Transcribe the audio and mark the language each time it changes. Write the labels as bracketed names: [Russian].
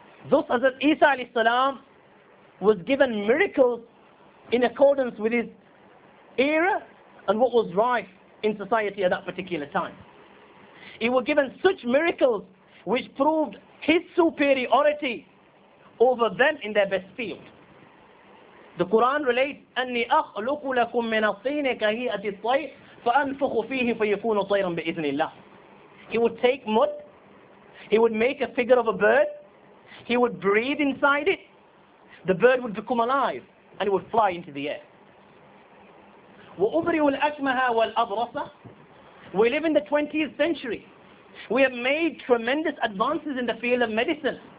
[English] Thus, Hazrat Isa alayhi salam was given miracles in accordance with his era and what was right in society at that particular time. He was given such miracles which proved his superiority over them in their best field. [Arabic] The Quran relates, أَنِّي أَخْلُقُ لَكُمْ مِنَ الطِّينِ كَهِيئَةِ الطَّيْرِ فَأَنْفُخُ فِيهِ فَيَكُونُ طَيْرًا بِإِذْنِ اللَّهِ. [English] He would take mud, he would make a figure of a bird, he would breathe inside it, the bird would become alive, and it would fly into the air. [Arabic] وَأُبْرِئُ الْأَكْمَهَا وَالْأَبْرَصَ. [English] We live in the 20th century. We have made tremendous advances in the field of medicine.